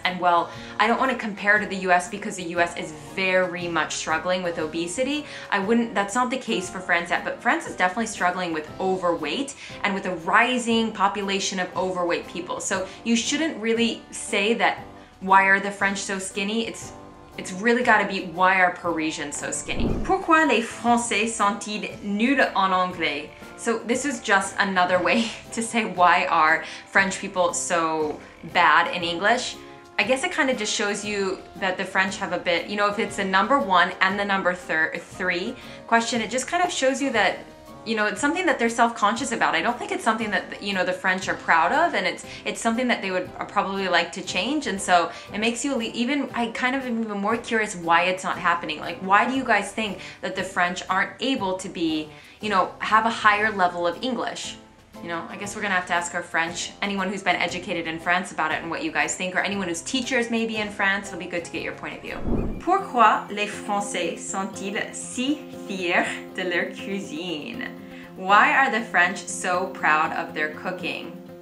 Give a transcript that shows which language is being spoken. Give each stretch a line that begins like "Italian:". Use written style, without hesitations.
English: And well, I don't wanna compare to the US because the US is very much struggling with obesity. That's not the case for France yet, but France is definitely struggling with overweight and with a rising population of overweight people. So you shouldn't really say that, why are the French so skinny? It's really gotta be, why are Parisians so skinny?
French: Pourquoi les Français sont-ils nuls en anglais?
English: So this is just another way to say, why are French people so bad in English? I guess it kind of just shows you that the French have a bit, you know, if it's the number one and the number three question, it just kind of shows you that, you know, it's something that they're self-conscious about. I don't think it's something that, you know, the French are proud of, and it's something that they would probably like to change. And so it makes you even, I kind of am even more curious why it's not happening. Like, why do you guys think that the French aren't able to be, you know, have a higher level of English? You know, I guess we're gonna have to ask our French, anyone who's been educated in France about it and what you guys think, or anyone who's teachers maybe in France, it'll be good to get your point of view.
French: Pourquoi les Français sont-ils si fiers de leur cuisine?
English: Why are the French so proud of their cooking?